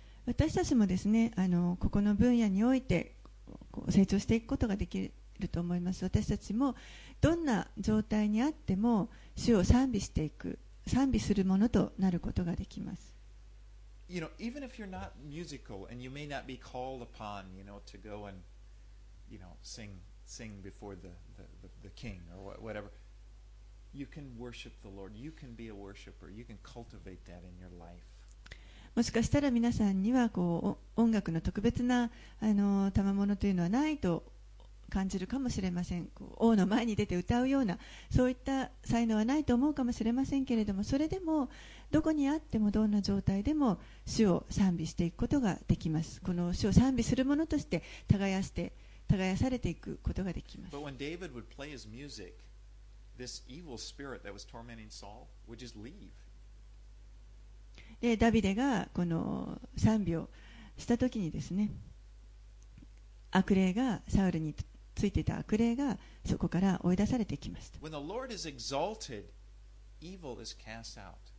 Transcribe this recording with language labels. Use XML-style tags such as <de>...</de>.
<ja>私たちもですね、ここの分野においてこう成長していくことができると思います。私たちもどんな状態にあっても主を賛美していく、賛美するものとなることができます。</ja> <en>You know, even if you're not musical and you may not be called upon, you know, to go and, you know, sing before the king or whatever, you can worship the Lord. You can be a worshiper. You can cultivate that in your life.</en> <ja>もしかしたら皆さんにはこう音楽の特別な賜物というのはないと感じるかもしれません。こう王の前に出て歌うようなそういった才能はないと思うかもしれませんけれども、それでもどこにあってもどんな状態でも主を賛美していくことができます。この主を賛美するものとして耕されていくことができます。</ja> <en>But when David would play his music, this evil spirit that was tormenting Saul would just leave.</en> <ja>でダビデがこの賛美をしたときにですね、悪霊がサウルについていた悪霊がそこから追い出されていきました。</ja> <en>When the Lord is exalted, evil is cast out.</en>